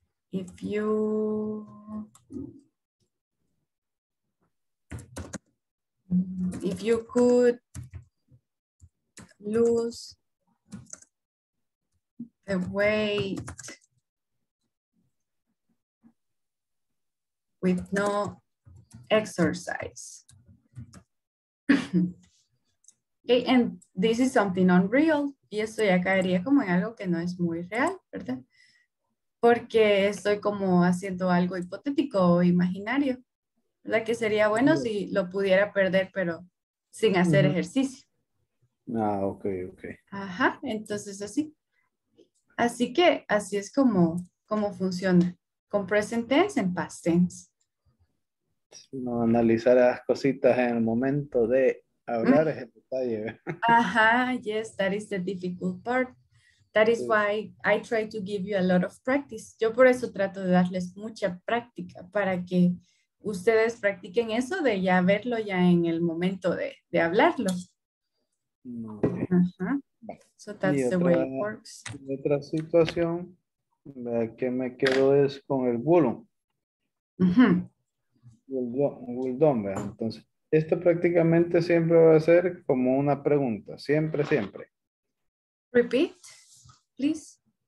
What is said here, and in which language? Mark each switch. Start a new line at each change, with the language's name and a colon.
English: If you could lose the weight with no exercise. Okay, and this is something unreal.
Spanish: Y esto ya caería como en algo que no es muy real, ¿verdad? Porque estoy como haciendo algo hipotético o imaginario. ¿Verdad? Que sería bueno si lo pudiera perder, pero sin hacer uh-huh. ejercicio. Ah, ok, ok. Ajá, entonces así. Así que así es como funciona. Con present tense en past tense. No, analizar las cositas en el momento de hablar es el detalle.
English: Ajá, yes, that is the difficult part. That is why I try to give you a lot of practice.
Spanish: Yo por eso trato de darles mucha práctica para que ustedes practiquen eso de ya verlo ya en el momento de hablarlo.
English: Okay. Uh-huh. So that's the way it works.
Spanish: Otra situación, la que me quedo es con el bulo. Uh-huh. El don, ¿verdad? Entonces, esto prácticamente siempre va a ser como una pregunta, siempre, siempre.
English: Repeat. Please.